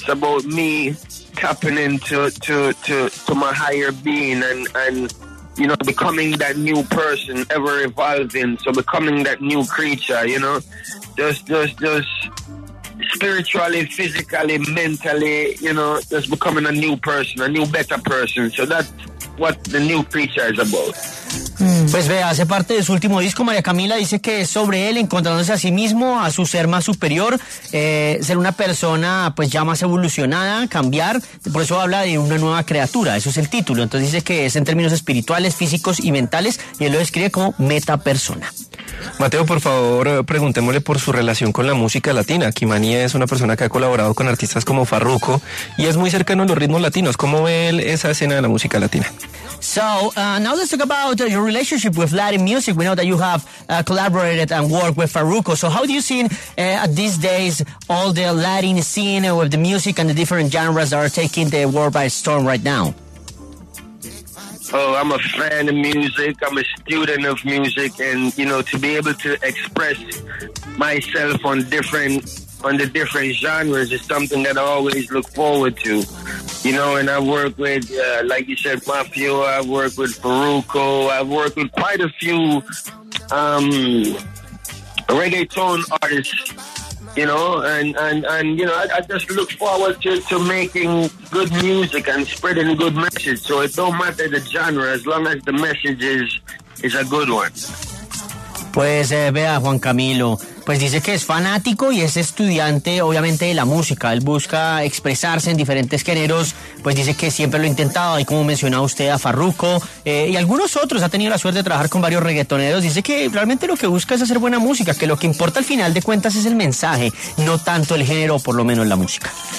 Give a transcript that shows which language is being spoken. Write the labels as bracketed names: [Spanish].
[English] It's about me tapping into to my higher being and you know, becoming that new person, ever evolving. So becoming that new creature, you know, just. Spiritually, physically, mentally, you know, just becoming a new person, a new better person. So that's what the new creature is about. [Spanish] Pues vea, hace parte de su último disco. María Camila dice que es sobre él encontrándose a sí mismo, a su ser más superior, ser una persona pues ya más evolucionada, cambiar. Por eso habla de una nueva criatura, eso es el título. Entonces dice que es en términos espirituales, físicos y mentales, y él lo describe como metapersona. Mateo, por favor, preguntémosle por su relación con la música latina. Key Manny es una persona que ha colaborado con artistas como Farruko y es muy cercano a los ritmos latinos. ¿Cómo ve él esa escena de la música latina? [English] So, now let's talk about your relationship with Latin music. We know that you have collaborated and worked with Farruko. So how do you see these days all the Latin scene with the music and the different genres that are taking the world by storm right now? Oh, I'm a fan of music. I'm a student of music. And, you know, to be able to express myself on different on the different genres is something that I always look forward to. You know, and I work with, like you said, Mafio, I work with Farruko, I work with quite a few reggaeton artists, you know, and you know, I just look forward to making good music and spreading good message. So it don't matter the genre, as long as the message is a good one. [Spanish] Pues vea, Juan Camilo, pues dice que es fanático y es estudiante, obviamente, de la música. Él busca expresarse en diferentes géneros, pues dice que siempre lo ha intentado, ahí como mencionaba usted a Farruko, y algunos otros, ha tenido la suerte de trabajar con varios reggaetoneros. Dice que realmente lo que busca es hacer buena música, que lo que importa al final de cuentas es el mensaje, no tanto el género, por lo menos la música.